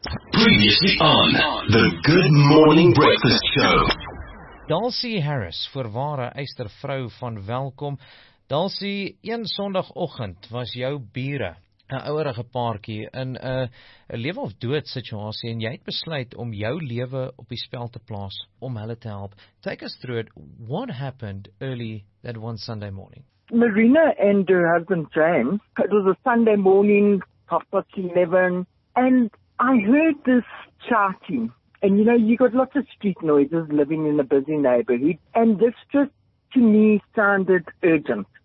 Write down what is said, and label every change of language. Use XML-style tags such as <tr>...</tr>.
<en>Previously on the Good Morning Breakfast Show.</en> <af>Dalcy Harris, voorwaar 'n eistervrou van welkom. Dalcy, een sonoggend was jou bure 'n ouerige paartjie in 'n lewe of dood situasie en jy het besluit om jou lewe op die spel te plaas om hulle te help.</af> <en>Take us through it. What happened early that one Sunday morning? Marina and her husband James, it was a Sunday morning, 11:30, and I heard this chatting. And you know, you got lots of street noises living in a busy neighborhood, and this just to me sounded urgent.</en>